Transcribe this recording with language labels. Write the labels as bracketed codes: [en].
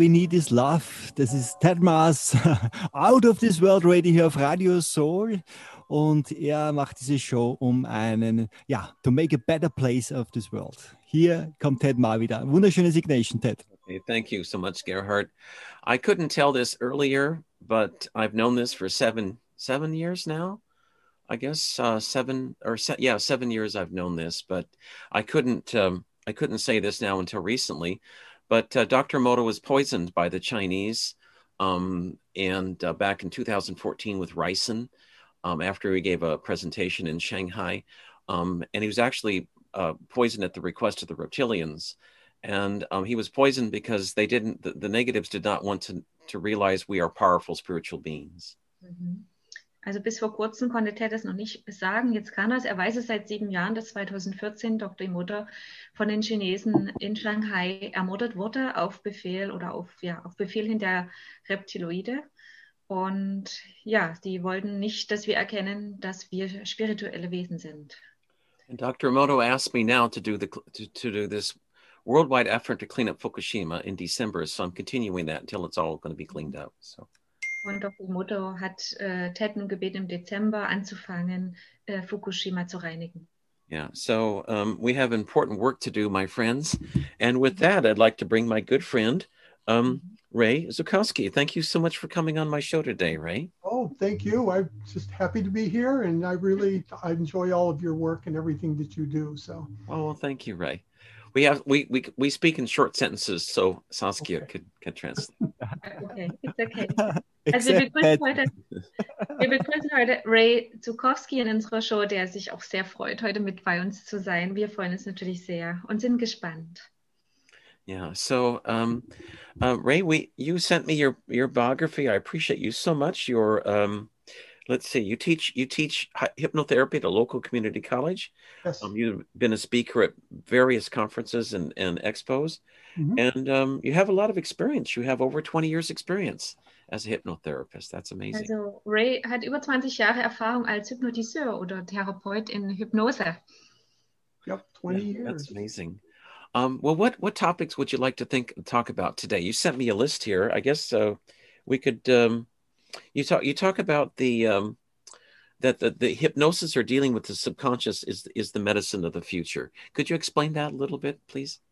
[en] this love, [de] das ist Ted Maas Out of This World Radio hier auf Radio Soul und er macht diese Show um einen ja, [en] to make a better place of this world. [de] Hier kommt Ted Maas wieder. Wunderschöne Signation, Ted. [en] Okay, thank you so much, Gerhard. I couldn't tell this earlier, but I've known this for seven years now. I guess seven years I've known this, but I couldn't say this now until recently. But Dr. Moto was poisoned by the Chinese and back in 2014 with ricin after he gave a presentation in Shanghai. And he was actually poisoned at the request of the reptilians. And he was poisoned because they didn't, the negatives did not want to realize we are powerful spiritual beings. Mm-hmm. [de] Also bis vor kurzem konnte Ted das noch nicht sagen. Jetzt kann er weiß es seit 7 Jahren, dass 2014 Dr. Moto von den Chinesen in Shanghai ermordet wurde auf Befehl oder auf Befehl hin der Reptiloide. Und ja, die wollten nicht, dass wir erkennen, dass wir spirituelle Wesen sind. [en] And Dr. Moto asked me now to do this worldwide effort to clean up Fukushima in December. So I'm continuing that until it's all going to be cleaned up. So. [de] Und Dr. Moto hat Ted nun gebeten, im Dezember anzufangen, Fukushima zu reinigen. [en] Yeah, so we have important work to do, my friends. And with that, I'd like to bring my good friend, Ray Zukowski. Thank you so much for coming on my show today, Ray. Oh, thank you. I'm just happy to be here. And I enjoy all of your work and everything that you do. So. Oh, well, thank you, Ray. We speak in short sentences, so Saskia could translate. Okay, it's okay. [de] Also wir begrüßen heute Ray Zukowski in unserer Show, der sich auch sehr freut, heute mit bei uns zu sein. Wir freuen uns natürlich sehr und sind gespannt. [en] Yeah, so Ray, you sent me your biography. I appreciate you so much. Let's see, you teach hypnotherapy at a local community college. Yes. You've been a speaker at various conferences and expos. Mm-hmm. And you have a lot of experience. You have over 20 years experience as a hypnotherapist. That's amazing. [de] Also Ray hat über 20 Jahre Erfahrung als Hypnotiseur oder Therapeut in Hypnose. [en] Yep, 20 years. That's amazing. What topics would you like to talk about today? You sent me a list here. I guess so. We could... You talk about the hypnosis or dealing with the subconscious is the medicine of the future. Could you explain that a little bit, please?